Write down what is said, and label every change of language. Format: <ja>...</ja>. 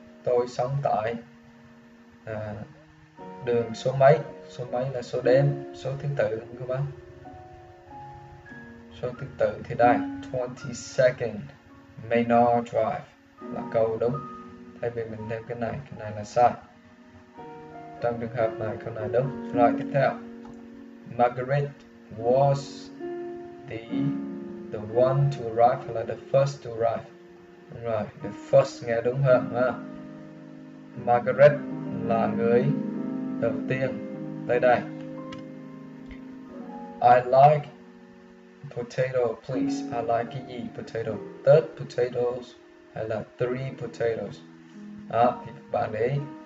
<vi>Tôi sống tại đường số mấy là số đếm, số thứ tự đúng không bác? Câu thứ tự thì đây, 22nd Maynard Drive là câu đúng. Thay vì mình đem cái này là sai. Trong trường hợp này, câu này đúng. Rồi, tiếp theo.</vi> <en>Margaret was the one to arrive,</en> <vi>hay là</vi> <en>the first to arrive.</en> <vi>Rồi,</vi> <en>the first</en> <vi>nghe đúng hơn ha. Margaret là người đầu tiên. Đây đây.</vi> <en>I like potato, please. I like</en> <vi>cái gì?</vi> <en>Potato. Third potatoes</en> <vi>hay là</vi> <en>three potatoes?</en> <vi>Đó, thì các bạn để ý.</vi>